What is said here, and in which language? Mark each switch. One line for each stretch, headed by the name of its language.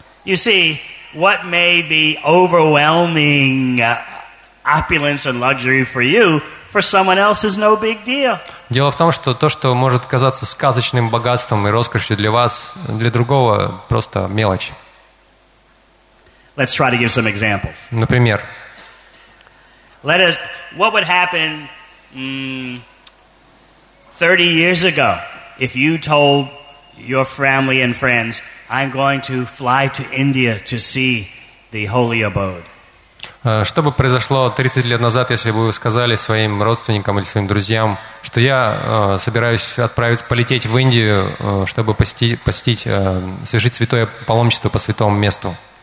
English: You see, what may be overwhelming opulence and luxury for you, for someone else is no big deal.
Russian: Дело в том, что то, что может казаться сказочным богатством и роскошью для вас, для другого просто мелочь.
English: Let's try to give some examples.
Russian: Например.
English: What would happen 30 years ago, if you told your family and friends, I'm going to fly to India to see the holy abode.
Russian: Что бы произошло 30 лет назад, если бы вы сказали своим родственникам или своим друзьям, что я собираюсь отправить, полететь в Индию, чтобы посетить, совершить святое паломничество по святому месту?